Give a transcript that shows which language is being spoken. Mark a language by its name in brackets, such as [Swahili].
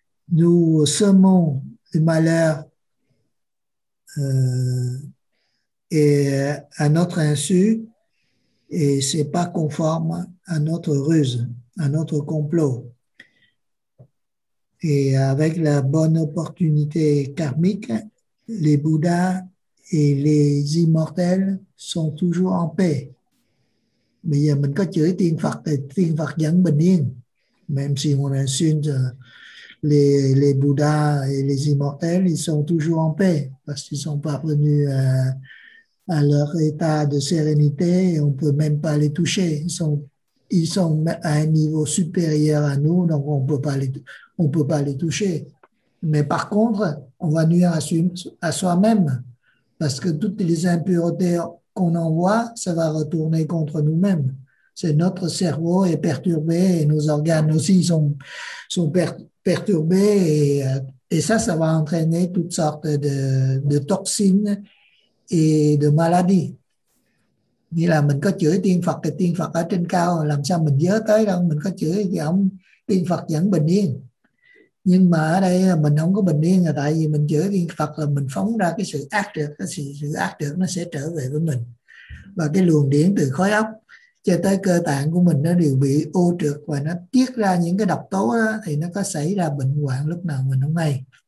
[French] Nous semons le malheur et à notre insu, et ce n'est pas conforme à notre ruse, à notre complot. Et avec la bonne opportunité karmique, les Bouddhas et les immortels sont toujours en paix. [Vietnamese] Bây giờ mình có chửi tiên Phật vẫn bình yên. [French] Même si on insulte les Bouddhas et les immortels, ils sont toujours en paix parce qu'ils sont parvenus à leur état de sérénité et on ne peut même pas les toucher. Ils sont à un niveau supérieur à nous, donc on ne peut pas les toucher. Mais par contre, on va nuire à soi-même parce que toutes les impuretés qu'on envoie, ça va retourner contre nous-mêmes. C'est notre cerveau est perturbé et nos organes aussi sont perturbés et ça va entraîner toutes sortes de toxines et de maladies. [Vietnamese] Nghĩa là mình có chửi tiên Phật thì tiên Phật ở trên cao, làm sao mình nhớ tới đâu, mình có chửi thì ông tiên Phật vẫn bình yên. Nhưng mà ở đây mình không có bình yên là tại vì mình chửi tiên Phật là mình phóng ra cái sự ác trược, sự ác trược nó sẽ trở về với mình. Và cái luồng điển từ khối óc cho tới cơ tạng của mình nó đều bị ô trược và nó tiết ra những cái độc tố đó, thì nó có xảy ra bệnh hoạn lúc nào mình không hay.